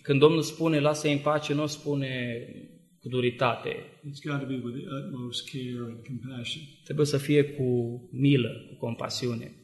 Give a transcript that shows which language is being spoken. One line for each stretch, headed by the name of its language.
Romanian: Când Domnul spune lasă-i în pace, nu spune cu duritate.
English: It's got to be with the utmost care and compassion.
Romanian: Trebuie să fie cu milă, cu compasiune.